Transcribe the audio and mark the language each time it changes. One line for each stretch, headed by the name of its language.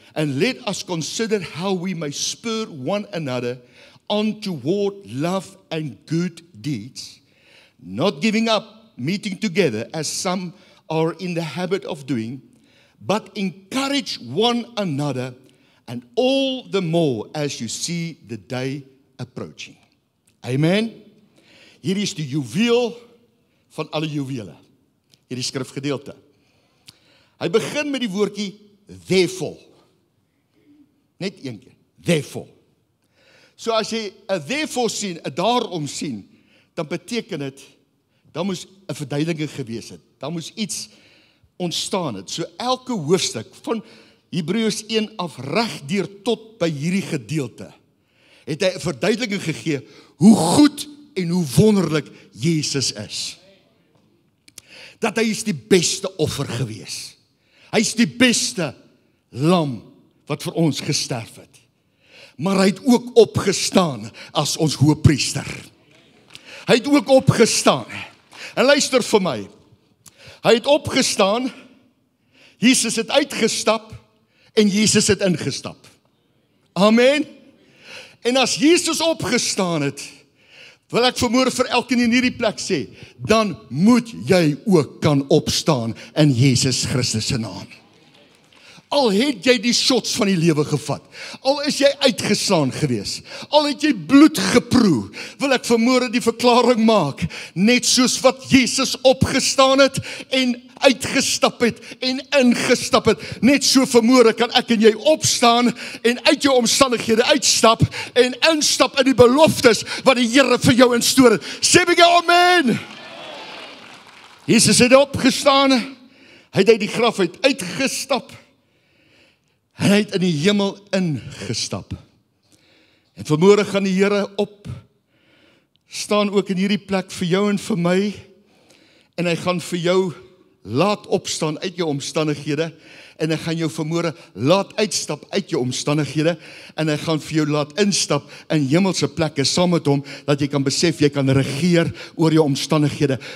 English: And let us consider how we may spur one another on toward love and good deeds, not giving up meeting together as some are in the habit of doing, but encourage one another, and all the more as you see the day approaching.
Afrikaans: Amen. Hier is die juweel van alle juwele. Hier die skrifgedeelte. Hy begin met die woordjie therefore. Net een keer. Therefore. So as jy 'n therefore sien, 'n daarom sien, dan beteken dit, dan moes 'n verduideliking gewees het. Dan moes iets ontstaan het. So elke hoofstuk van Hebreërs 1 af reg deur tot by hierdie gedeelte, het hy 'n verduideliking gegee hoe goed en hoe wonderlik Jesus is. Dat hy is die beste offer gewees. Hy is die beste lam wat vir ons gesterf het. Maar hy het ook opgestaan as ons hoëpriester. Hy het ook opgestaan. En luister vir my. Hy het opgestaan. Jesus het uitgestap en Jesus het ingestap. Amen. En as Jesus opgestaan het, wil ek vanmôre vir elkeen in hierdie plek sê, dan moet jy ook kan opstaan in Jesus Christus se naam. Al het jy die shots van die lewe gevat, al is jy uitgeslaan gewees, al het jy bloed geproe, wil ek vanmôre die verklaring maak, net soos wat Jesus opgestaan het en uitgestap het en ingestap het, net so vanmôre kan ek en jy opstaan en uit jou omstandighede uitstap en instap in die beloftes wat die Here vir jou instoor het. Sê by jou amen! Jesus het opgestaan, hy het uit die graf uit uitgestap, en hy het in die hemel ingestap. En vanmôre gaan die Here op staan ook in hierdie plek vir jou en vir my, en hy gaan vir jou Laat opstaan uit jou omstandighede en hy gaan jou vermoor, laat uitstap uit jou omstandighede en hy gaan vir jou laat instap in hemelse plekke saam met hom, dat jy kan besef, jy kan regeer oor jou omstandighede.